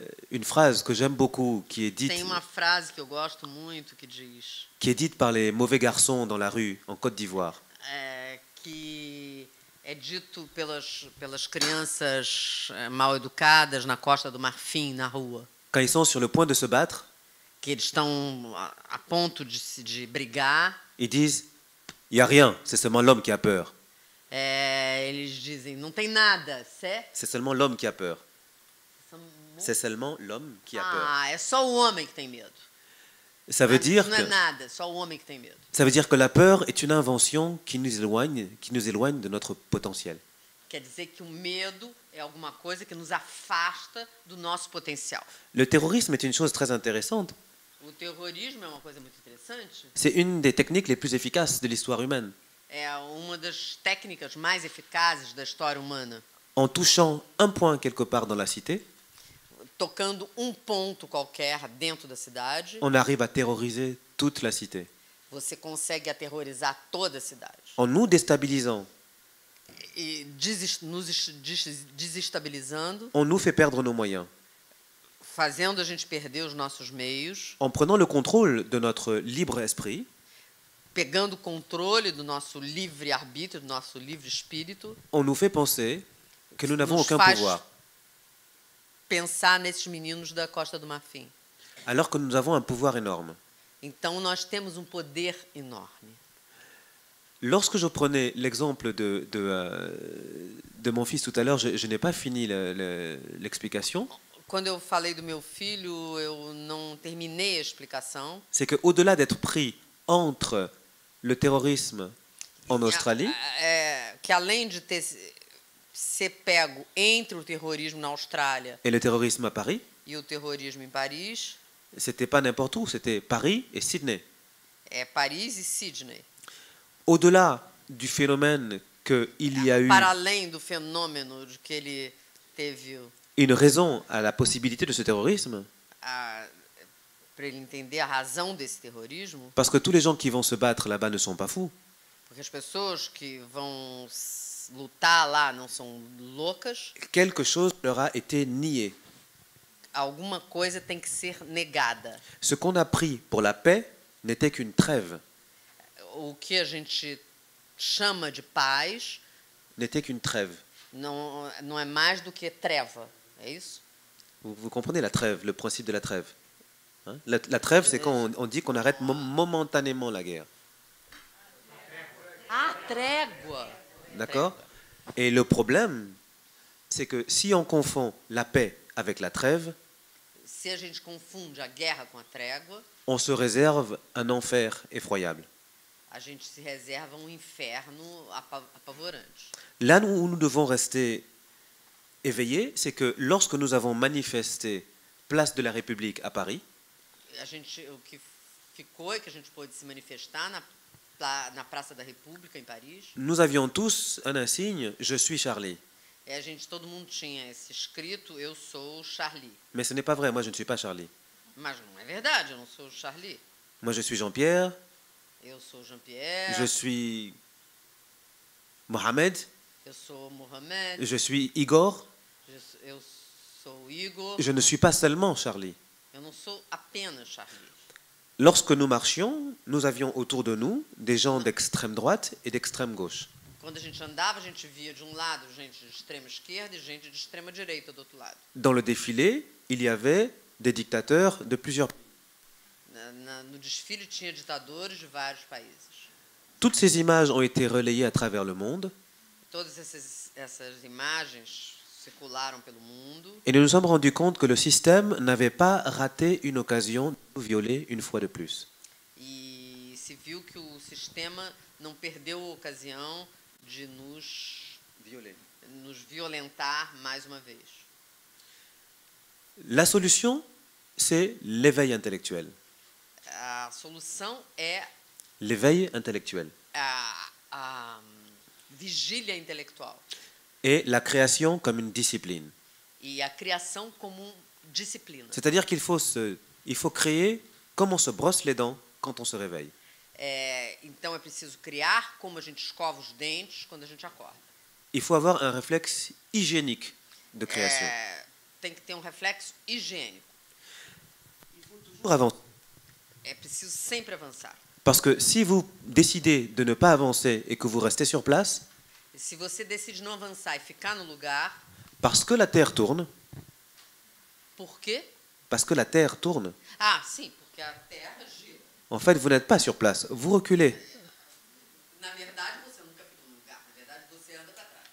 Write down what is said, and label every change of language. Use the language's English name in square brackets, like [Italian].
[French] Une phrase que j'aime beaucoup qui est dite. [Portuguese] Tem uma frase que eu gosto muito que diz. [French] Qui est dite par les mauvais garçons dans la rue en Côte d'Ivoire. [Portuguese] Que é dito pelas crianças mal educadas na Costa do Marfim, na rua. [French] Quand ils sont sur le point de se battre. [Portuguese] Que eles estão à ponto de brigar. [French] Ils disent, il y a rien, c'est seulement l'homme qui a peur. [Portuguese] Eles dizem, não tem nada, [French] c'est seulement l'homme qui a peur. C'est seulement l'homme qui a peur. [Portuguese] Ah, é só o homem que tem medo. [French] Ça veut dire que. [Portuguese] Não é nada, só o homem que tem medo. [French] Ça veut dire que la peur est une invention qui nous éloigne de notre potentiel. [Portuguese] Quer dizer que o medo é alguma coisa que nos afasta do nosso potencial. [French] Le terrorisme est une chose très intéressante. [Portuguese] O terrorismo é uma coisa muito interessante. [French] C'est une des techniques les plus efficaces de l'histoire humaine. [Portuguese] É uma das técnicas mais eficazes da história humana. [French] En touchant un point quelque part dans la cité. [Portuguese] Tocando um ponto qualquer dentro da cidade. [French] On arrive à terroriser toute la cité. [Portuguese] Você consegue aterrorizar toda a cidade. [French] En nous déstabilisant. [Portuguese] E nos desestabilizando. [French] On nous fait perdre nos moyens. [Portuguese] Fazendo a gente perder os nossos meios. [French] En prenant le contrôle de notre libre esprit. [Portuguese] Pegando o controle do nosso livre arbítrio, do nosso livre espírito. [French] On nous fait penser que nous n'avons aucun pouvoir. [Portuguese] Pensar nesses meninos da Costa do Marfim. [French] Alors que nous avons un pouvoir énorme. [Portuguese] Então nós temos um poder enorme. [French] Lorsque je prenais l'exemple de mon fils tout à l'heure, je n'ai pas fini l'explication. [Portuguese] Quando eu falei do meu filho, eu não terminei a explicação. [French] C'est que au-delà d'être pris entre le terrorisme en Australie, [Portuguese] que além de ter ser pego entre o terrorismo na Austrália [French] et le terrorisme à Paris, [Portuguese] e o terrorismo em Paris, [French] c'était pas n'importe où, c'était Paris et Sydney. [Portuguese] É Paris e Sydney. [French] Au-delà du phénomène que il y a eu, [Portuguese] para além do fenômeno de que ele teve, [French] une raison à la possibilité de ce terrorisme. [Portuguese] Para ele entender a razão desse terrorismo. [French] Parce que tous les gens qui vont se battre là-bas ne sont pas fous. [Portuguese] Porque as pessoas que vão lutar lá não são loucas. [French] Quelque chose leur a été nié. [Portuguese] Alguma coisa tem que ser negada. [French] Ce qu'on a pris pour la paix n'était qu'une trêve. [Portuguese] O que a gente chama de paz [French] n'était qu'une trêve. [Portuguese] Não é mais do que treva, é isso? [French] Vous comprenez la trêve, le principe de la trêve. Hein? La trêve, c'est quand on dit qu'on arrête momentanément la guerre. [Portuguese] Ah, trégua. [French] D'accord? Et le problème, c'est que si on confond la paix avec la trêve, [Portuguese] se a gente confunde a guerra com a trégua, [French] on se réserve un enfer effroyable. [Portuguese] A gente se reserva um inferno apavorante. [French] Là où nous devons rester éveillés, c'est que lorsque nous avons manifesté Place de la République à Paris, [Portuguese] a gente, o que ficou é que a gente pôde se manifestar na Praça da República em Paris. [French] Nous avions tous un insigne, je suis Charlie. [Portuguese] E a gente, todo mundo tinha esse escrito, eu sou Charlie. [French] Mais ce n'est pas vrai, moi je ne suis pas Charlie. [Portuguese] Mas não é verdade, eu não sou Charlie. [French] Moi je suis Jean-Pierre. [Portuguese] Eu sou Jean-Pierre. [French] Je suis Mohamed. [Portuguese] Eu sou Mohamed. [French] Je suis Igor. [Portuguese] Eu sou Igor. [French] Je ne suis pas seulement Charlie. [Portuguese] Eu não sou apenas Charlie. [French] Lorsque nous marchions, nous avions autour de nous des gens d'extrême droite et d'extrême gauche. [Portuguese] Quando a gente andava, a gente via de um lado gente de extrema esquerda e gente de extrema direita do outro lado. [French] Dans le défilé, il y avait des dictateurs de plusieurs pays. [Portuguese] No desfile tinha ditadores de vários países. [French] Toutes ces images ont été relayées à travers le monde. [Portuguese] Todas essas imagens circularam pelo mundo. [French] Et nous nous sommes rendu compte que le système n'avait pas raté une occasion de nous violer une fois de plus. [Portuguese] E se viu que o sistema não perdeu a ocasião de nos violenta. Nos violentar mais uma vez. [French] La solution, c'est l'éveil intellectuel. [Portuguese] A solução é [French] l'éveil intellectuel. [Portuguese] A vigília intelectual. [French] Et la création comme une discipline. [Portuguese] E a criação como uma disciplina. [French] C'est-à-dire qu'il faut se il faut créer comme on se brosse les dents quand on se réveille. [Portuguese] Então é preciso criar como a gente escova os dentes quando a gente acorda. [French] Il faut avoir un réflexe hygiénique de création. [Portuguese] Tem que ter reflexo higiênico. É preciso sempre avançar. [French] Parce que si vous décidez de ne pas avancer et que vous restez sur place, [Portuguese] se você decide não avançar e ficar no lugar, [French] parce que la terre tourne. [Portuguese] Por quê? [French] Parce que la terre tourne. [Portuguese] Ah, sim, porque a terra gira. [French] En fait, vous n'êtes pas sur place, vous reculez. [Portuguese] Na verdade, você nunca fica no lugar, na verdade você anda para trás.